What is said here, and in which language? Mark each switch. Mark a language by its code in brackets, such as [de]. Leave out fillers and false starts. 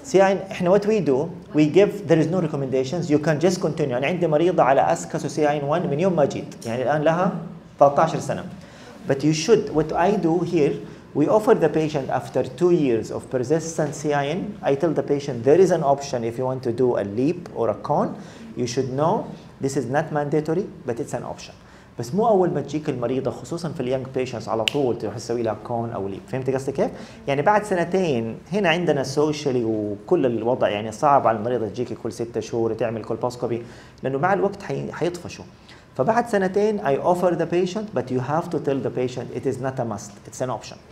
[en] See, what we do, we give, there is no recommendations, you can just continue. [ar] أنا عندي مريضة على أسكس وسي عين 1 من يوم ما جيت. يعني الآن لها 13 سنة. [en] But you should, what I do here, we offer the patient after 2 years of persistent CIN, I tell the patient there is an option if you want to do a leap or a cone. You should know this is not mandatory, but it's an option. [ar] بس مو أول ما تجيك المريضة خصوصا في اليونج بيشنتس على طول تروح تسوي لها كون أو ليب، فهمت قصدي كيف؟ يعني بعد سنتين هنا عندنا سوشيالي وكل الوضع يعني صعب على المريضة تجيكي كل 6 شهور تعمل كولبوسكوبي لأنه مع الوقت حيطفشوا. فبعد سنتين [en] I offer the patient but you have to tell the patient it is not a must, it's an option.